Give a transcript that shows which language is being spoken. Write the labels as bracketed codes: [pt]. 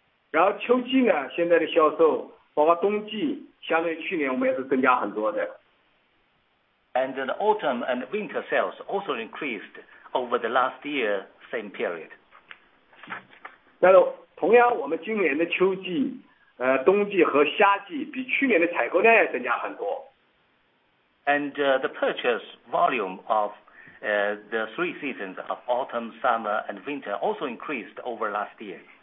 [zh] 然后秋季呢，现在的销售，包括冬季，相对于去年，我们也是增加很多的。 [en] And the autumn and winter sales also increased over the last year, same period. [zh] 那同样，我们今年的秋季、冬季和夏季比去年的采购量也增加很多。 [en] And the purchase volume of the three seasons of autumn, summer, and winter also increased over last year.